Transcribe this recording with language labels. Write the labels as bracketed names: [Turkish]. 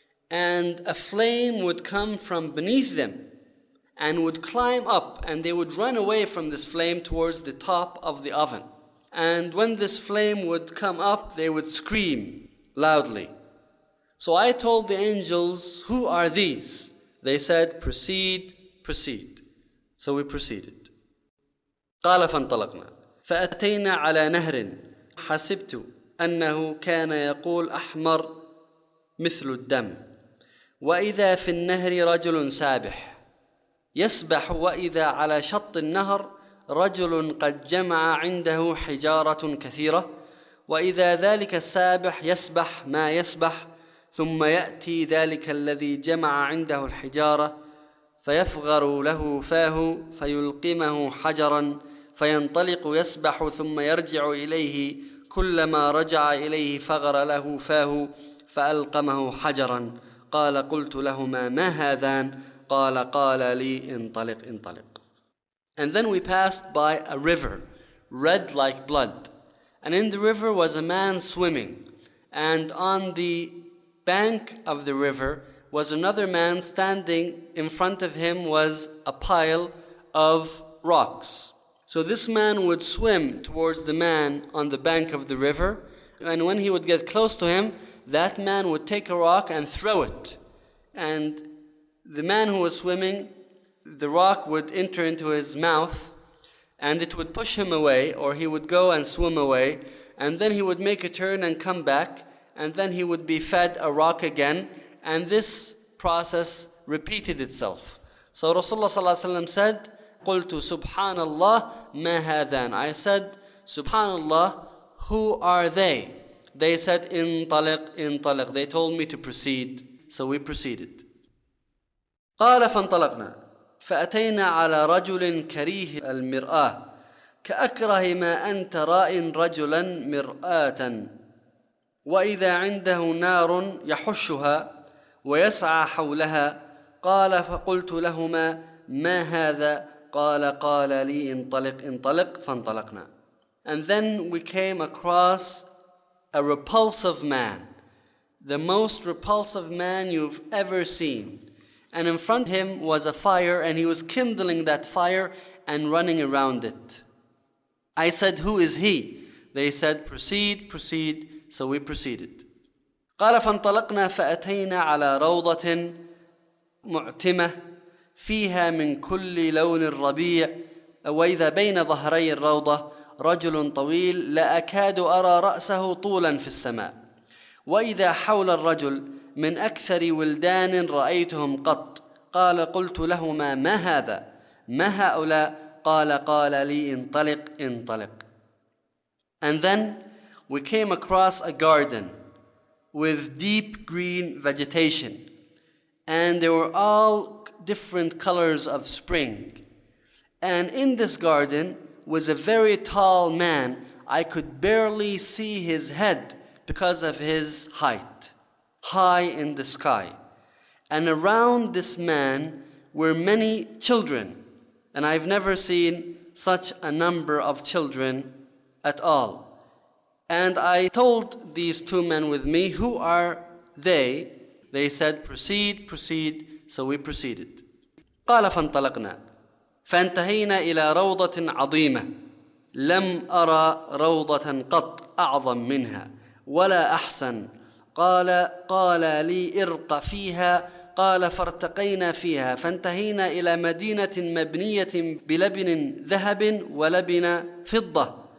[English] And a flame would come from beneath them and would climb up and they would run away from this flame towards the top of the oven. And when this flame would come up, they would scream loudly. So I told the angels, who are these? They said, proceed, proceed. So we proceeded. [Arabic] قَالَ فَانْطَلَقْنَا فَأَتَيْنَا عَلَى نَهْرٍ حَسِبْتُ أَنَّهُ كَانَ يَقُولْ أَحْمَرْ مِثْلُ الدَّمْ وَإِذَا فِي النَّهْرِ رَجُلٌ سَابِحٌ يَسْبَحُ وَإِذَا عَلَى شَطِّ النَّهْرِ رجل قد جمع عنده حجارة كثيرة وإذا ذلك السابح يسبح ما يسبح ثم يأتي ذلك الذي جمع عنده الحجارة فيفغر له فاه فيلقمه حجرا فينطلق يسبح ثم يرجع إليه كلما رجع إليه فغر له فاه فألقمه حجرا قال قلت لهما ما هذان قال لي انطلق انطلق [English] And then we passed by a river, red like blood. And in the river was a man swimming. And on the bank of the river was another man standing. In front of him was a pile of rocks. So this man would swim towards the man on the bank of the river. And when he would get close to him, that man would take a rock and throw it. And the man who was swimming, the rock would enter into his mouth and it would push him away or he would go and swim away and then he would make a turn and come back and then he would be fed a rock again and this process repeated itself. So Rasulullah ﷺ said, [Arabic] قُلْتُ سُبْحَانَ اللَّهِ مَا هَذَان [English] I said, Subhanallah, who are they? They said, [Arabic] انطلق, انطلق. [English] They told me to proceed. So we proceeded. [Arabic] قَالَ فَانْطَلَقْنَا فأتينا على رجل كريه المرآة كأكره ما أنت رائن رجلا مرآة وإذا عنده نار يحشها ويسعى حولها قال فقلت لهما ما هذا قال لي انطلق انطلق فانطلقنا [English] And then we came across a repulsive man, the most repulsive man you've ever seen. And in front of him was a fire, and he was kindling that fire and running around it. I said, who is he? They said, proceed, proceed. So we proceeded. [Arabic] قَالَ فَانْطَلَقْنَا فَأَتَيْنَا عَلَى رَوْضَةٍ مُعْتِمَةٍ فِيهَا مِنْ كُلِّ لَوْنِ الرَّبِيعِ وَإِذَا بَيْنَ ظَهْرَيِ الرَّوْضَةِ رَجُلٌ طَوِيلٌ لَأَكَادُ أَرَى رَأْسَهُ طُولًا فِي السَّمَاءِ وَإِذَا حَوْلَ الرَّجُلِ من أكثر ولدان رأيتهم قط قال قلت لهما ما هذا ما هؤلاء قال لي انطلق انطلق [English] And then we came across a garden with deep green vegetation and there were all different colors of spring and in this garden was a very tall man I could barely see his head because of his height high in the sky. And around this man were many children. And I've never seen such a number of children at all. And I told these two men with me, who are they? They said, proceed, proceed. So we proceeded. [Arabic] قال فانطلقنا فانتهينا إلى روضة عظيمة لم أرى روضة قط أعظم منها ولا أحسن. قال لي ارق فيها. قال فارتقينا فيها فانتهينا إلى مدينة مبنية بلبن ذهب ولبن فضة.